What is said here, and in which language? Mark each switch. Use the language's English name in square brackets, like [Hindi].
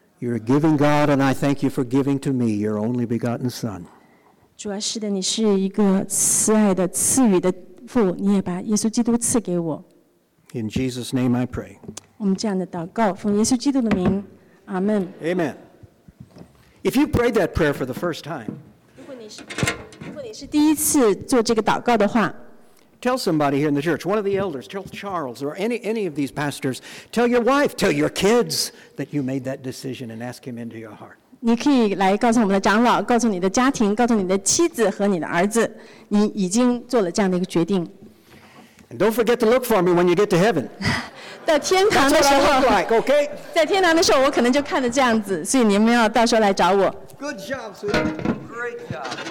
[English] You're a giving God, and I thank you for giving to me your only begotten Son. [Chinese] 主啊，是的，你是一个慈爱的、赐予的、父，你也把耶稣基督赐给我。 [English] In Jesus' name, I pray. [Chinese] 我们这样的祷告，奉耶稣基督的名，阿门。 [English] Amen. If you prayed that prayer for the first time, [Chinese] 如果你是第一次做这个祷告的话。 [English] Tell somebody here in the church, one of the elders, tell Charles or any of these pastors, tell your wife, tell your kids that you made that decision and ask him into your heart. [Chinese] 你可以来告诉我们的长老，告诉你的家庭，告诉你的妻子和你的儿子，你已经做了这样的一个决定。 [English] And don't forget to look for me when you get to heaven. [Chinese] 到天堂的时候 [English] That's what I look like, okay? [Chinese] 在天堂的时候我可能就看着这样子，所以你们要到时候来找我。 [English] Good job, sweetie. Great job.